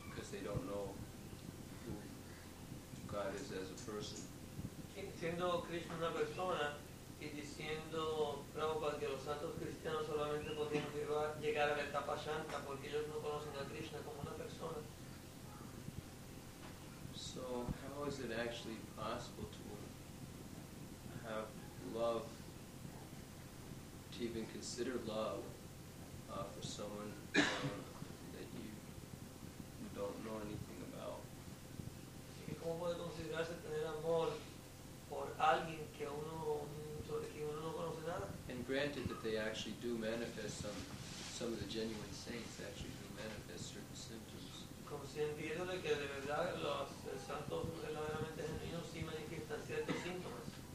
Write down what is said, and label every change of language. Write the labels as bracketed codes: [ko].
[en] They don't know who God is as a person. [es] Siendo Krishna una persona y diciendo Prabhupada que los santos cristianos solamente podían llegar a la etapa santa porque ellos no conocen a Krishna como una persona. [en] So how is it actually possible to have love, to even consider love for someone that you don't know anything about. [es] ¿Cómo puede considerarse tener amor por alguien que uno, sobre quien uno no conoce nada? [en] And granted that they actually do manifest some of the genuine saints actually do manifest certain symptoms. [es] Como si entiendo de que de verdad los santos verdaderamente genuinos sí manifiestan ciertos síntomas.